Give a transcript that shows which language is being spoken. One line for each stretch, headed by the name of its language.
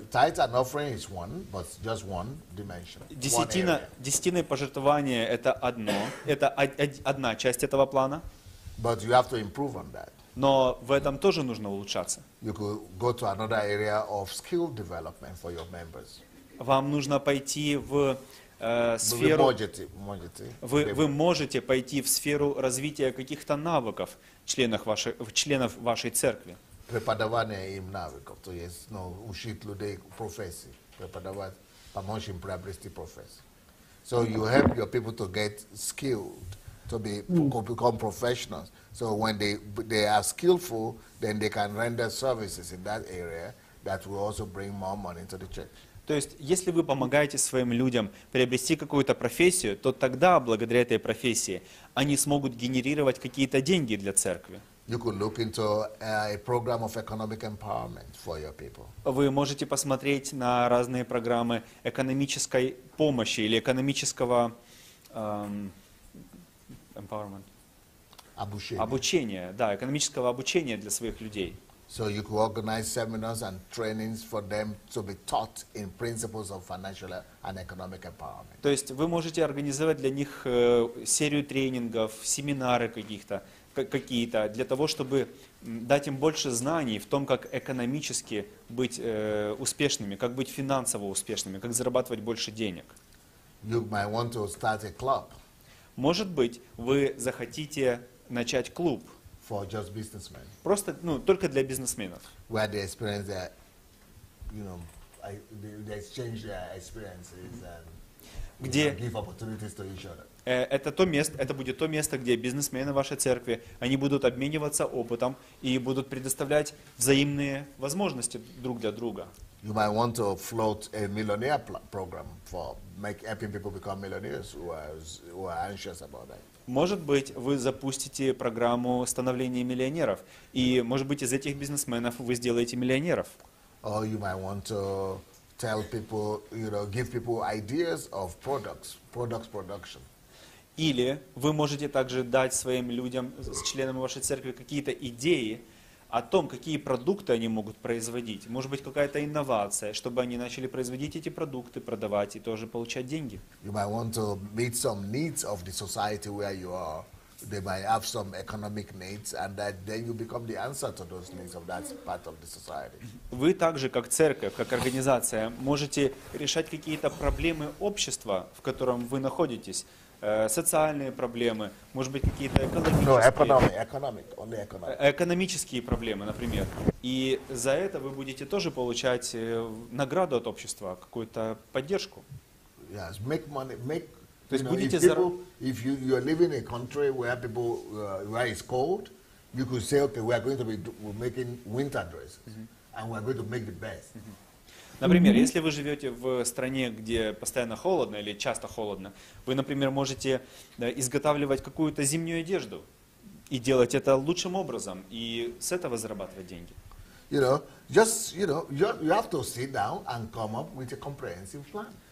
English: Tithe and offering is one, but just one dimension.
Russian: Десятина и пожертвование это одно, это одна часть этого плана.
English: But you have to improve on that.
Russian: Но в этом тоже нужно улучшаться.
English: You could go to another area of skill development for your members.
Russian: Вам нужно пойти в сферу, вы можете пойти в сферу развития каких-то навыков членов вашей церкви. Преподавание им навыков, то есть ну, учить людей профессии, преподавать, помочь им приобрести профессию.
English: So you help your people to get skilled, to become professionals. So when they are skillful, then they can render services in that area that will also bring more money to the church.
Russian: То есть, если вы помогаете своим людям приобрести какую-то профессию, то тогда, благодаря этой профессии, они смогут генерировать какие-то деньги для церкви.
English: You could look into a program of economic empowerment for your people.
Russian: Вы можете посмотреть на разные программы экономической помощи или экономического empowerment. Обучения. Да, экономического обучения для своих людей.
English: So you could organize seminars and trainings for them to be taught in principles of financial and economic empowerment.
Russian: То есть вы можете организовать для них серию тренингов, семинары какие-то для того, чтобы дать им больше знаний в том, как экономически быть успешными, как быть финансово успешными, как зарабатывать больше денег.
English: You might want to start a club.
Russian: Может быть, вы захотите начать клуб.
English: For just businessmen.
Russian: Просто, ну, только для бизнесменов.
English: Where they experience their, you know, they exchange their experiences and give opportunities to each other.
Russian: Это будет то место, где бизнесмены вашей церкви, они будут обмениваться опытом и будут предоставлять взаимные возможности друг для друга.
English: You might want to float a millionaire program for helping people become millionaires who are anxious about that.
Russian: Может быть, вы запустите программу становления миллионеров, и, может быть, из этих бизнесменов вы сделаете миллионеров.
English: Or you might want to tell people, you know, give people ideas of products production.
Russian: Или вы можете также дать своим людям, членам вашей церкви, какие-то идеи о том, какие продукты они могут производить. Может быть, какая-то инновация, чтобы они начали производить эти продукты, продавать и тоже получать деньги.
English: You might want to meet some needs of the society where you are. They might have some economic needs, and that then you become the answer to those needs of that part of the society.
Russian: Вы также, как церковь, как организация, можете решать какие-то проблемы общества, в котором вы находитесь. Социальные проблемы, может быть, какие-то экономические. No, экономические проблемы, например. И за это вы будете тоже получать награду от общества, какую-то поддержку.
English: Yes, make money, make.
Russian: То есть будете зарабатывать.
English: If you are living in a country where people where it's cold, you could say, okay, we are going to be making winter dresses, and we are going to make the best.
Russian: Например, если вы живете в стране, где постоянно холодно или часто холодно, вы, например, можете изготавливать какую-то зимнюю одежду и делать это лучшим образом, и с этого зарабатывать деньги.
English: You know, just, you know, you have to sit down and come up with a comprehensive plan.